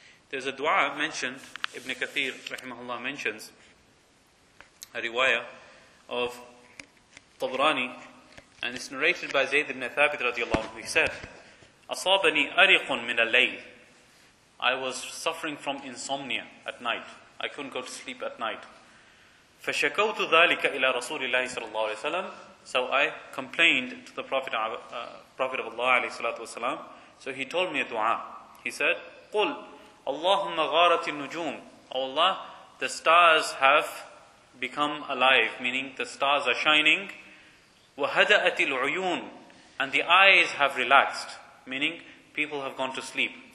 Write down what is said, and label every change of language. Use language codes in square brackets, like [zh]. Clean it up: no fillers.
[en] There's a dua mentioned, Ibn Kathir, rahimahullah, mentions a riwayah of Tabrani, and it's narrated by Zayd ibn Thabit, radiallahu anhu. He said, [ar] أَصَابَنِي أَرِقٌ مِنَ اللَّيْلِ [en] I was suffering from insomnia at night. I couldn't go to sleep at night. [ar] فَشَكَوْتُ ذَٰلِكَ إِلَىٰ رَسُولِ اللَّهِ صَلَى اللَّهُ عَلَيْهِ وَسَلَمْ [en] So I complained to the Prophet of Allah [ar] عليه الصلاة والسلام. [en] So he told me a dua. He said, [ar] قُلْ اللَّهُمَّ غَارَتِ النُّجُومِ [en] Oh Allah, the stars have become alive, meaning the stars are shining. [ar] وَهَدَأَتِ الْعُيُونِ [en] And the eyes have relaxed, meaning people have gone to sleep.